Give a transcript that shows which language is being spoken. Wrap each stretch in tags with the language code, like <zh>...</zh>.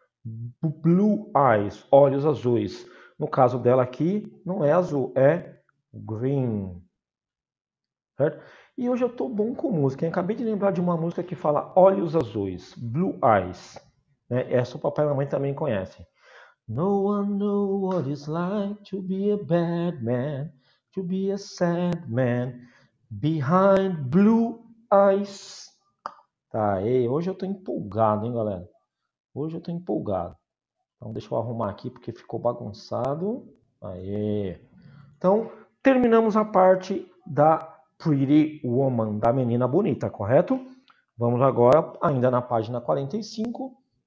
<pt>Blue eyes, olhos azuis. No caso dela aqui, não é azul, é green, certo? E hoje eu tô bom com música. Hein? Acabei de lembrar de uma música que fala olhos azuis, blue eyes. Né? Essa o papai e a mamãe também conhecem.</pt> <en>No one knows what it's like to be a bad man, to be a sad man, behind blue eyes.</en> <pt>Tá aí, hoje eu tô empolgado, hein, galera? Hoje eu tô empolgado. Então deixa eu arrumar aqui porque ficou bagunçado. Aí. Então, terminamos a parte da Pretty Woman, da menina bonita, correto? Vamos agora, ainda na página 45.</pt>